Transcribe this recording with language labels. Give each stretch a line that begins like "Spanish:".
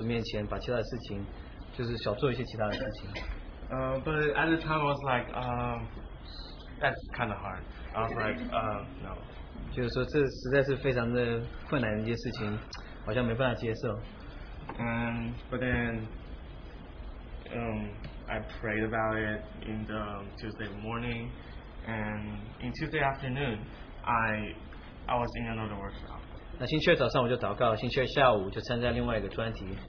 Chinese: 星期下午的专题讲到说，是我们实在是需要更花更多时间在主面前，把其他的事情，就是少做一些其他的事情。
English: But at the time I was like, that's kind of hard. I was like, no.
Chinese: 就是说这实在是非常的困难的一件事情，好像没办法接受。
English: But then, I prayed about it in the Tuesday morning, and in Tuesday afternoon, I was in another workshop.
Chinese: 那星期二早上我就祷告，星期二下午就参加另外一个专题。